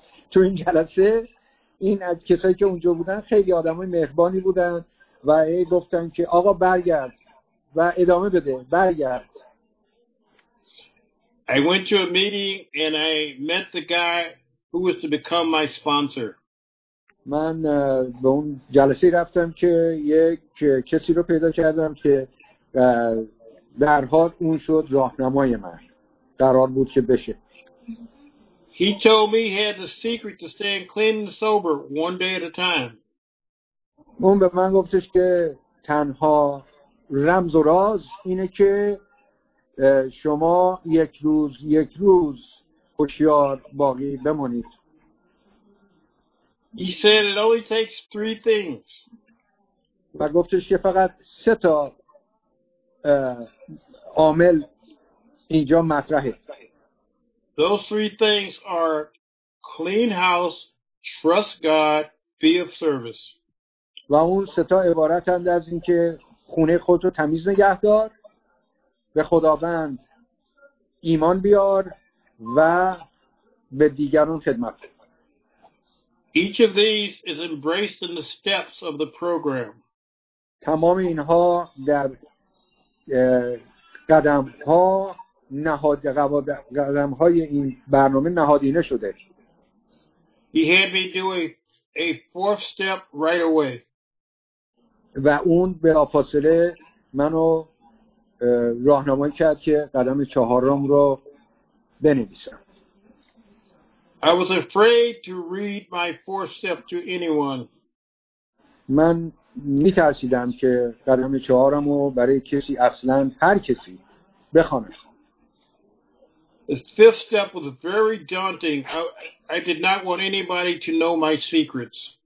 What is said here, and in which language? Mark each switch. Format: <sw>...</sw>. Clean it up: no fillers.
<fa>تو این جلسه، این از کسایی که اونجا بودن خیلی آدمای مهربانی بودن و ای گفتن که آقا برگرد و ادامه بده، برگرد.</fa> <en>I went to a meeting and I met the guy who was to become my sponsor.</en> <fa>من به اون جلسه رفتم که یک کسی رو پیدا کردم که در حال اون شد راهنمای من. قرار بود که بشه.</fa> <en>He told me he had the secret to staying clean and sober one day at a time.</en> <fa>اون به من گفتش که تنها رمز و راز اینه که شما یک روز هوشیار باقی بمونید.</fa> <en>He said it only takes three things.</en> <fa>و گفتش که فقط سه تا عامل اینجا مطرحه.</fa> <en>Those three things are clean house, trust God, be of service.</en> <fa>و اون سه تا عبارتند از اینکه خونه خود رو تمیز نگه دار، به خداوند ایمان بیار و به دیگران خدمت کن.</fa> <en>Each of these is embraced in the steps of the program.</en> <fa>تمام اینها در قدم‌ها نهاد قدم‌های این برنامه نهادینه شده.</fa> <en>He had me do a fourth step right away.</en> <fa>و اون بلافاصله منو راهنمایی کرد که قدم چهارم رو بنویسم.</fa> <en>I was afraid to read my fourth step to anyone.</en> <fa>من می‌ترسیدم که قدم چهارم رو برای کسی اصلاً هر کسی بخونم.</fa> <en>The fifth step was very daunting. I did not want anybody to know my secrets.</en>